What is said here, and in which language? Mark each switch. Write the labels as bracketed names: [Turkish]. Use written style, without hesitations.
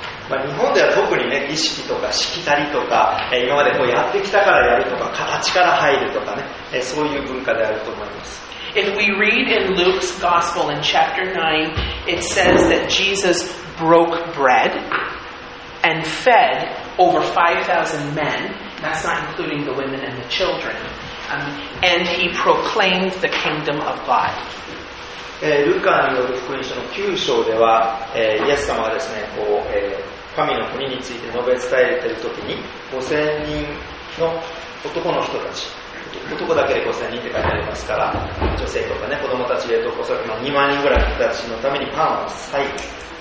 [Japanese] まあ、日本では特にね、儀式とかしきたりとか、今までこうやってきたからやるとか、形から入るとかね、そういう文化であると思います。 [English] If we read in Luke's Gospel in chapter 9, it says that Jesus broke bread and fed over 5,000 men That's not including the women and the children. And he proclaimed the kingdom of God. [Japanese] ルカによる福音書の9章では、イエス様はですね、こう、神の国について述べ伝えているときに、5000人の男の人たち、男だけで5000人って書いてありますから、女性とかね、子供たちで、おそらく2万人ぐらいの人たちのためにパンを割いて、